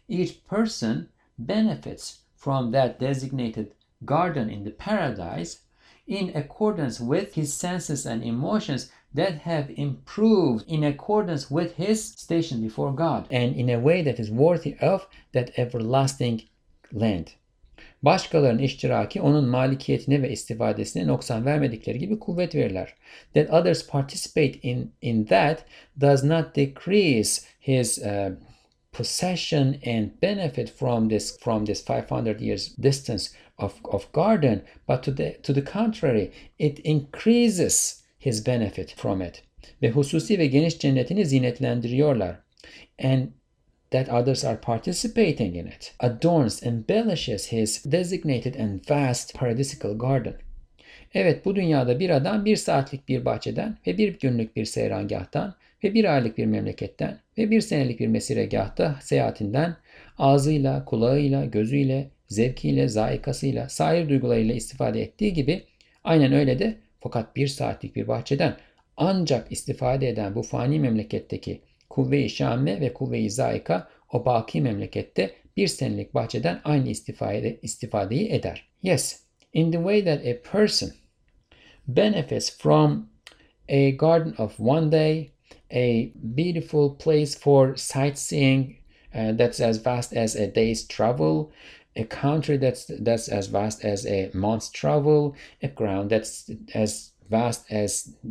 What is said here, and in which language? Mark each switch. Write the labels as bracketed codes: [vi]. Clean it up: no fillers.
[en] Each person benefits from that designated garden in the paradise in accordance with his senses and emotions that have improved in accordance with his station before God and in a way that is worthy of that everlasting land. [tr] Başkalarının iştiraki onun malikiyetine ve istifadesine noksan vermedikleri gibi kuvvet verirler. [en] That others participate in that does not decrease his possession and benefit from this 500 years distance of garden, but to the contrary, it increases his benefit from it. [tr] Ve hususi ve geniş cennetini zinetlendiriyorlar. [en] And that others are participating in it, adorns, embellishes his designated and vast paradisical garden. [tr] Evet, bu dünyada bir adam bir saatlik bir bahçeden ve bir günlük bir seyrangâhtan ve bir aylık bir memleketten ve bir senelik bir mesiregâhta seyahatinden ağzıyla, kulağıyla, gözüyle, zevkiyle, zaikasıyla, sair duygularıyla istifade ettiği gibi aynen öyle de fakat bir saatlik bir bahçeden ancak istifade eden bu fani memleketteki kuvve-i şame ve kuvve-i zaika o baki memlekette bir senelik bahçeden aynı istifadeyi eder. [en] Yes, in the way that a person benefits from a garden of one day, a beautiful place for sightseeing that's as vast as a day's travel, a country that's as vast as a month's travel, a ground that's as vast as